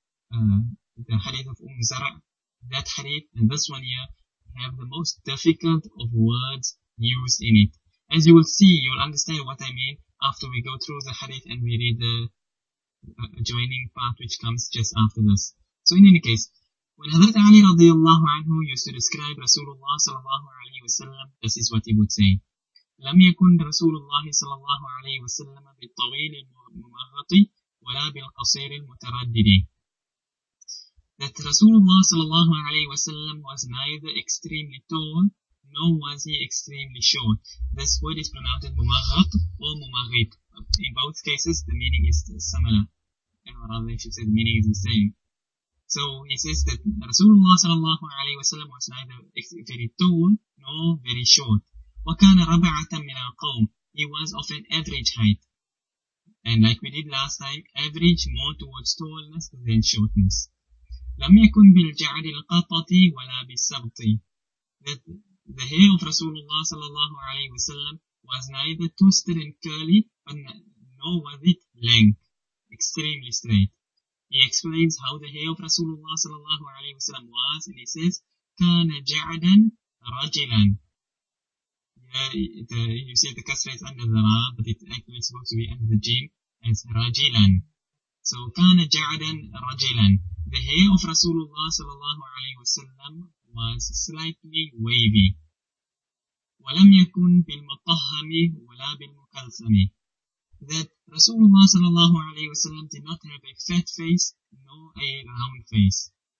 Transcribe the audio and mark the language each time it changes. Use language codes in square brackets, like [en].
[en] The hadith of Zara, that hadith, and this one here, have the most difficult of words used in it. As you will see, you will understand what I mean after we go through the hadith and we read the adjoining part which comes just after this. So in any case, when Hazrat Ali radiallahu anhu used to describe Rasulullah sallallahu alayhi wasallam, this is what he would say. [ar] لم يكن رسول الله صلى الله عليه وسلم بالطويل الممغط ولا بالقصير المتردد. [en] That Rasulullah sallallahu alayhi wasallam was neither extremely tall nor was he extremely short. This word is pronounced ممغط or ممغط. In both cases, the meaning is similar. And rather, she said, the meaning is the same. So he says that Rasulullah sallallahu alayhi wasallam was neither very tall nor very short. [ar] وكان ربعة من القوم. [en] He was of an average height. And like we did last time, average more towards tallness than shortness. [ar] لم يكن بالجعد القطط ولا بالسبط. [en] That the hair of Rasulullah صلى الله عليه وسلم was neither twisted and curly, but nor was it length, extremely straight. He explains how the hair of Rasulullah صلى الله عليه وسلم was, and he says, [ar] كان جعدا رجلا. [en] You see the kasra is under the ra, but it actually is supposed to be under the jim as rajilan. [ar] So كان جعدا رجلا. [en] The hair of Rasulullah sallallahu alayhi wa sallam was slightly wavy. [ar] وَلَمْ يَكُنْ بِالْمُطَّهَّمِ وَلَا بِالْمُكَلْثَمِ. [en] That Rasulullah sallallahu alayhi wa sallam did not have a fat face nor a round face.